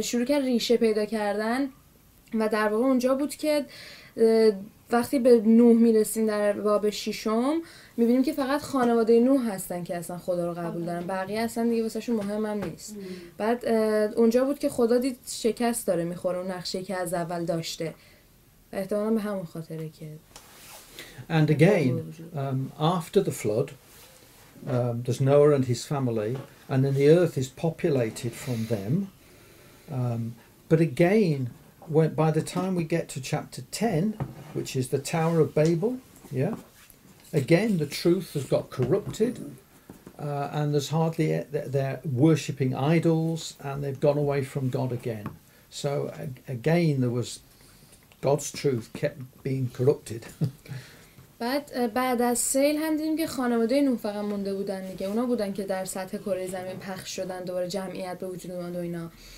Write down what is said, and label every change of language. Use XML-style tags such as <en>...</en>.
<fa>شروع کردن ریشه پیدا کردن و در واقع اونجا بود که وقتی به نوح میرسیم در باب ششم، میبینیم که فقط خانواده نوح هستن که اصلا خدا رو قبول دارن، بقیه اصلا دیگه واسه شون مهم هم نیست. بعد اونجا بود که خدا دید شکست داره میخوره اون نقشه که از اول داشته، احتمالا به همون خاطره که.</fa> <en>And again after the flood there's Noah and his family, and then the earth is populated from them. But again, when, by the time we get to chapter 10, which is the Tower of Babel, yeah, again the truth has got corrupted, and there's hardly they're worshipping idols, and they've gone away from God again. So again, there was God's truth kept being corrupted.</en> <fa>بعد از سیل هم دیدیم که خانواده نوح فقط مونده بودن دیگه، اونا بودن که در سطح کره زمین پخش شدن، دوباره جمعیت به وجود اومد و اینا.</fa>